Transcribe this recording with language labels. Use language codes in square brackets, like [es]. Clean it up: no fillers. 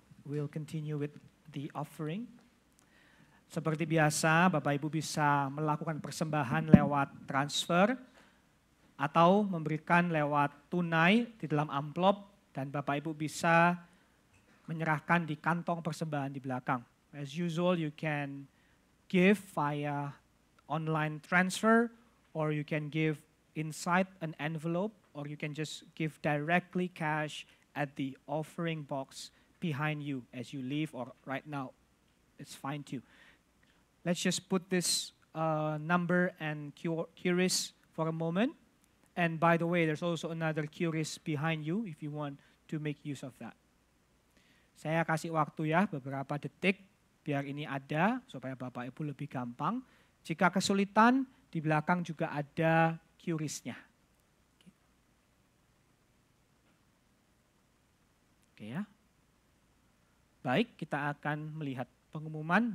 [en] We'll continue with the offering. [id] Seperti biasa, Bapak Ibu bisa melakukan persembahan lewat transfer atau memberikan lewat tunai di dalam amplop, dan Bapak Ibu bisa menyerahkan di kantong persembahan di belakang. [en] As usual, you can give via online transfer, or you can give inside an envelope, or you can just give directly cash at the offering box behind you as you leave or right now. It's fine too. Let's just put this number and QRIS for a moment. And by the way, there's also another QRIS behind you if you want to make use of that. [id] Saya kasih waktu ya, beberapa detik. Biar ini ada, supaya Bapak Ibu lebih gampang. Jika kesulitan, di belakang juga ada QRIS-nya. Oke ya. Baik, kita akan melihat pengumuman.